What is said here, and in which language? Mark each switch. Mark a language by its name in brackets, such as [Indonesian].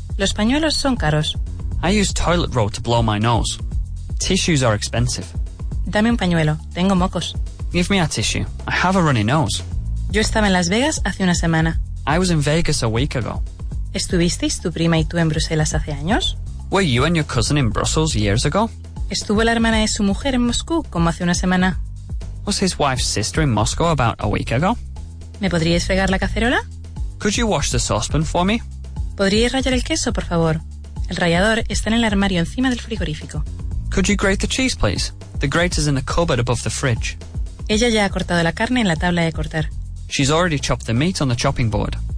[Spanish] Los pañuelos son caros. [English] I use toilet roll to blow my nose. Tissues are expensive. [Spanish] Dame un pañuelo, tengo mocos. [English] Give me a tissue, I have a runny nose. [Spanish] Yo estaba en Las Vegas hace una semana. [English] I was in Vegas a week ago. [Spanish] ¿Estuvisteis tu prima y tú en Bruselas hace años? [English] Were you and your cousin in Brussels years ago? [Spanish] ¿Estuvo la hermana de su mujer en Moscú como hace una semana? [English] Was his wife's sister in Moscow about a week ago? [Spanish] ¿Me podrías fregar la cacerola? [English] Could you wash the saucepan for me? [Spanish] ¿Podrías rallar el queso, por favor? El rallador está en el armario encima del frigorífico. [English] Could you grate the cheese, please? The grater's in the cupboard above the fridge. [Spanish] Ella ya ha cortado la carne en la tabla de cortar. [English] She's already chopped the meat on the chopping board.